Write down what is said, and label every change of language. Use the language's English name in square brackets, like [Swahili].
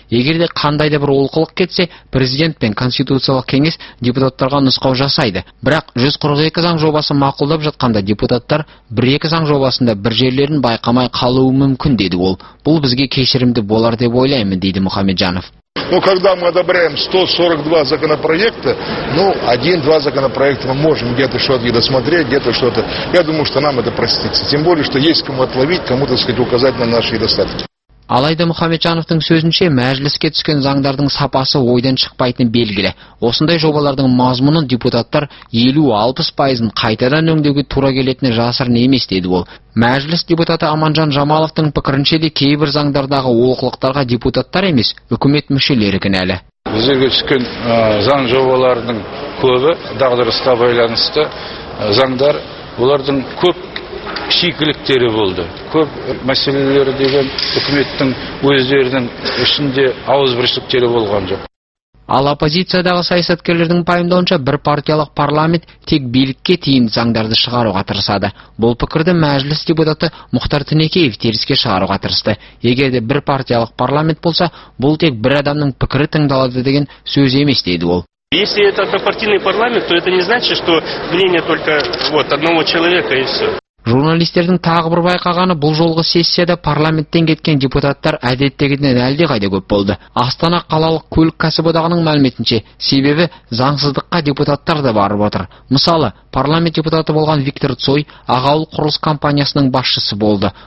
[Kazakh] Егер де қандай да бір олқылық кетсе, президент пен конституциялық кеңес депутаттарға нұсқау жасайды. Бірақ 142 заң жобасы мақұлдап жатқанда депутаттар 1-2 заң жобасында бір жерлерін байқамай қалуы мүмкін, деді ол. Бұл бізге кешірімді болар деп ойлаймын, дейді Мұхамеджанов. [Russian] Но когда мы одобряем 142 законопроекта, ну, 1-2 законопроекта мы можем где-то что-то не досмотреть, где-то что-то. Я думаю, что нам это простится. Тем более, что есть кому отловить, кому, так сказать, указать на наши недостатки. [Kazakh] Алайда Мухамеджановтың сөзінше, мәжіліске түскен заңдардың сапасы ойдан шықпайтын белгілі. Осындай жобалардың мазмұнын депутаттар 50-60% қайтадан өңдеуге тура келетіні жасырын емес, деді ол. Мәжіліс депутаты Аманжан Жамаловтың пікірінше де кейбір заңдардағы олқылықтарға депутаттар емес, үкімет мүшелері кінәлі. Біздегі түскен заң жобаларының көбі дағдарысқа байланысты заңдар, олардың көп шикіліктері болды. Көп мәселелері деген үкіметтің өздерінің ішінде ауызбіршіліктері болған жоқ. Ал оппозициядағы саясаткерлердің пайымдауынша, бір партиялық парламент тек билікке тиімді заңдарды шығаруға тырысады. Бұл пікірді мәжіліс депутаты Мұхтар Тінекеев теріске шығаруға тырысты. Егер де бір партиялық парламент болса, бұл тек бір адамның пікірі тыңдалады деген сөз емес, деді ол. [Russian] Если это однопартийный парламент, то это не значит, что мнение только вот одного человека и все. [Kazakh] Журналистердің тағы бір байқағаны, бұл жолғы сессияда парламенттен кеткен депутаттар әдеттегіден әлдеқайда көп болды. Астана қалалық көлік кәсіподағының мәліметінше, себебі заңсыздыққа депутаттар да барып отыр. Мысалы, парламент депутаты болған Виктор Цой ағауыл құрылыс компаниясының басшысы болды.